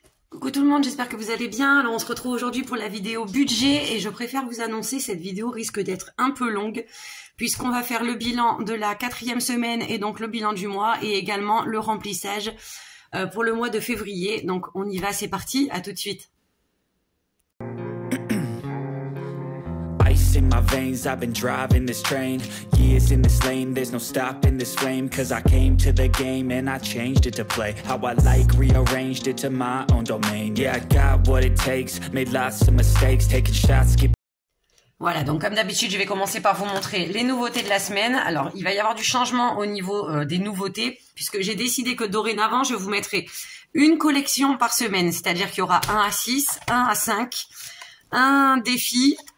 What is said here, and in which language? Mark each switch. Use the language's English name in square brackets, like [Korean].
[French] Coucou tout le monde, j'espère que vous allez bien. Alors on se retrouve aujourd'hui pour la vidéo budget et je préfère vous annoncer, cette vidéo risque d'être un peu longue puisqu'on va faire le bilan de la quatrième semaine et donc le bilan du mois et également le remplissage pour le mois de février. Donc on y va, c'est parti, à tout de suite. [English] In my veins, I've been driving this train. Years in this lane, there's no stopping this flame. Cause I came to the game and I changed it to play. How I like, rearranged it to my own domain. Yeah, I got what it takes, made lots of mistakes, taking shots, skip. [French] Voilà, donc comme d'habitude, je vais commencer par vous montrer les nouveautés de la semaine. Alors, il va y avoir du changement au niveau des nouveautés, puisque j'ai décidé que dorénavant, je vous mettrai une collection par semaine. C'est-à-dire qu'il y aura 1 à 6, 1 à 5, un défi.